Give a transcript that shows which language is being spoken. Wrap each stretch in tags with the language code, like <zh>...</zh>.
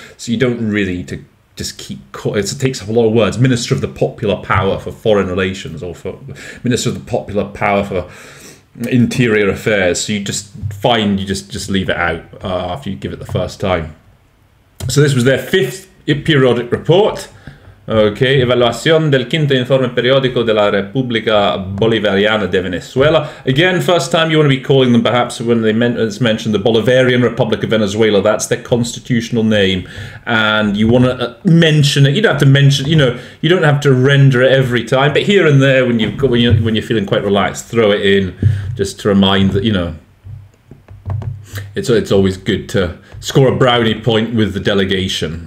<en>So you don't really need to just keep... It takes up a lot of words. Minister of the popular power for foreign relations or for minister of the popular power for interior affairs. So you just find you just leave it out after you give it the first time. So this was their fifth periodic report.</en> <es>Ok, evaluación del quinto informe periódico de la República Bolivariana de Venezuela.</es> <en>Again, first time you want to be calling them, perhaps, when they it's mentioned the Bolivarian Republic of Venezuela. That's their constitutional name. And you want to mention it. You don't have to mention, you know, you don't have to render it every time. But here and there, when you're feeling quite relaxed, throw it in just to remind that, you know, it's always good to score a brownie point with the delegation.</en>